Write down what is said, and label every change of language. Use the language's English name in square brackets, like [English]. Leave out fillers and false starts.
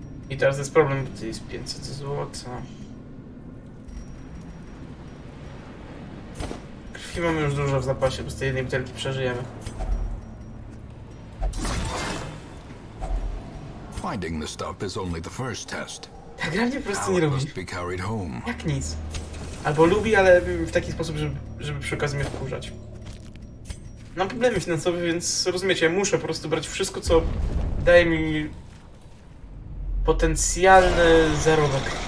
[Polish] I teraz jest problem, bo to jest 500 zł. Krwi mamy już dużo w zapasie, bez tej jednej butelki przeżyjemy. [English] Finding the stuff is only the first test. [Polish] Ta gra mnie po prostu nie lubi. Jak nic. Albo lubi, ale w taki sposób, żeby przy okazji mnie wkurzać. Mam problemy finansowe, więc rozumiecie, muszę po prostu brać wszystko, co daje mi potencjalny zarobek.